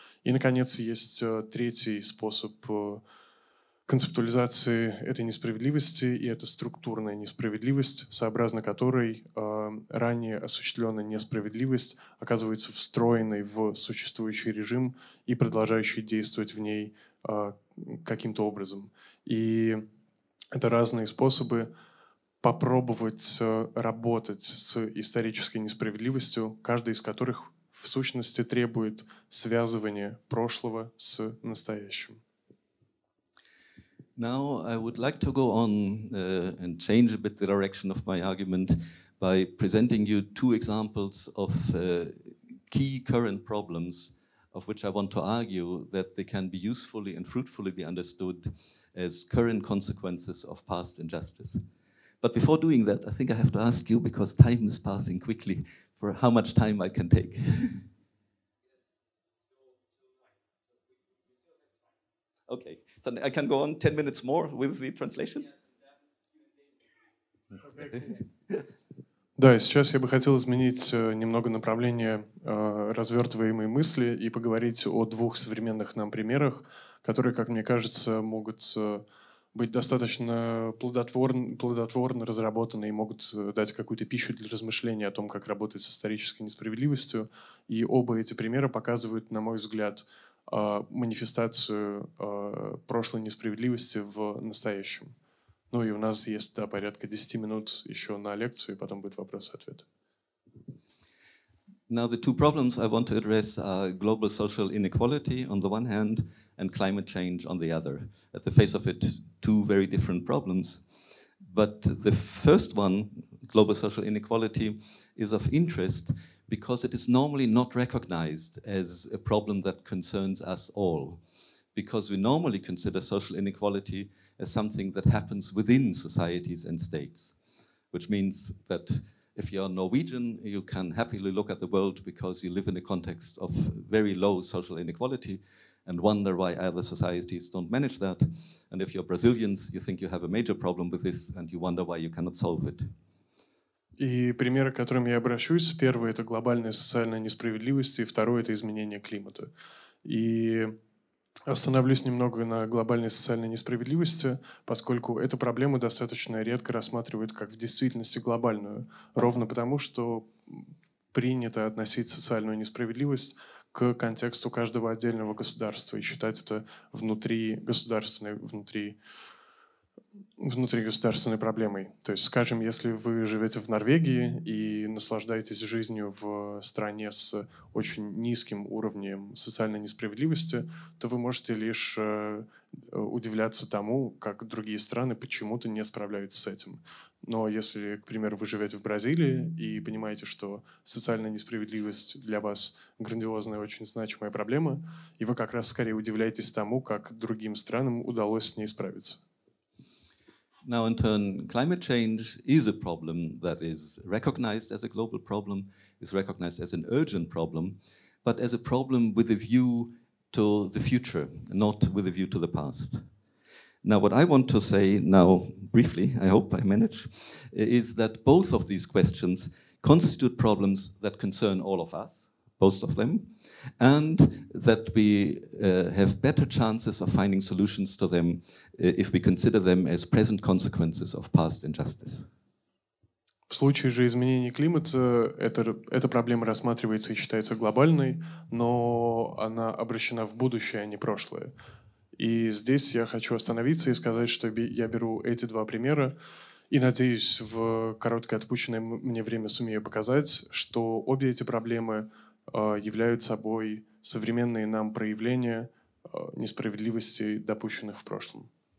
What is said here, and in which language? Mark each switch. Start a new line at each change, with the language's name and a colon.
Russian: И, наконец, есть третий способ концептуализации этой несправедливости, и это структурная несправедливость, сообразно которой ранее осуществленная несправедливость оказывается встроенной в существующий режим и продолжающей действовать в ней каким-то образом. И это разные способы попробовать работать с исторической несправедливостью, каждый из которых в сущности требует связывания прошлого с настоящим.
English: Now I would like to go on and change a bit the direction of my argument by presenting you two examples of key current problems of which I want to argue that they can be usefully and fruitfully be understood as current consequences of past injustice. But before doing that, I think I have to ask you, because time is passing quickly, for how much time I can take. Okay. So I can go on 10 minutes more with the translation?
Russian: Да, сейчас я бы хотел изменить немного направление развертываемой мысли и поговорить о двух современных нам примерах, которые, как мне кажется, могут быть достаточно плодотворно разработаны и могут дать какую-то пищу для размышления о том, как работать с исторической несправедливостью. И оба эти примера показывают, на мой взгляд, манифестацию прошлой несправедливости в настоящем. Ну и у нас есть да, порядка 10 минут еще на лекцию, и потом будет вопрос-ответ.
English: Now the two problems I want to address are global social inequality on the one hand and climate change on the other. At the face of it, two very different problems. But the first one, global social inequality, is of interest because it is normally not recognized as a problem that concerns us all. Because we normally consider social inequality as something that happens within societies and states. Which means that if you are Norwegian, you can happily look at the world because you live in a context of very low social inequality and wonder why other societies don't manage that. And if you're Brazilians, you think you have a major problem with this and you wonder why you cannot solve it.
Russian: И примеры, к которым я обращусь, первый — это глобальная социальная несправедливость, и второй — это изменение климата. И остановлюсь немного на глобальной социальной несправедливости, поскольку эта проблема достаточно редко рассматривают как в действительности глобальную, ровно потому, что принято относить социальную несправедливость к контексту каждого отдельного государства и считать это внутригосударственной проблемой. То есть, скажем, если вы живете в Норвегии и наслаждаетесь жизнью в стране с очень низким уровнем социальной несправедливости, то вы можете лишь удивляться тому, как другие страны почему-то не справляются с этим. Но если, к примеру, вы живете в Бразилии и понимаете, что социальная несправедливость для вас грандиозная, очень значимая проблема, и вы как раз скорее удивляетесь тому, как другим странам удалось с ней справиться.
English: Now, in turn, climate change is a problem that is recognized as a global problem, is recognized as an urgent problem, but as a problem with a view to the future, not with a view to the past. Now, what I want to say now, briefly, I hope I manage, is that both of these questions constitute problems that concern all of us, both of them, and that we have better chances of finding solutions to them if we consider them as present consequences of past injustice.
Russian: В случае же изменения климата эта проблема рассматривается и считается глобальной, но она обращена в будущее, а не прошлое. И здесь я хочу остановиться и сказать, что я беру эти два примера и надеюсь, в короткое отпущенное мне время сумею показать, что обе эти проблемы являются собой современные нам проявления несправедливости, допущенных в прошлом.